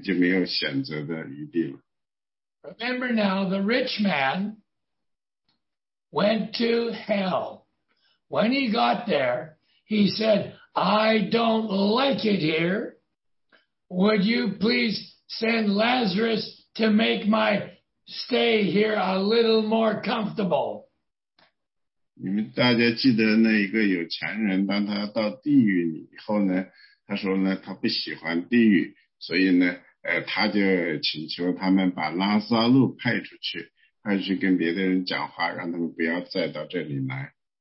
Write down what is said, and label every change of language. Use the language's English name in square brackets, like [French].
[Chinese] 所以呢，神说呢是重要的。所以呢，今天呢，神在一个位置上，我们也在一个位置上。你们在这个位置上呢，今天的位置是你可以去选择的。所以到某一天呢，当你去定了以后呢，哎，你就没有选择的余地了。 [English] Remember now, the rich man went to hell. When he got there, he said, I don't like it here. Would you please send Lazarus to make my stay here a little more comfortable? [Chinese] 你们大家记得那一个有钱人，当他到地狱里以后呢，他说呢，他不喜欢地狱，所以呢，他就请求他们把拉撒路派出去，派出去跟别的人讲话，让他们不要再到这里来。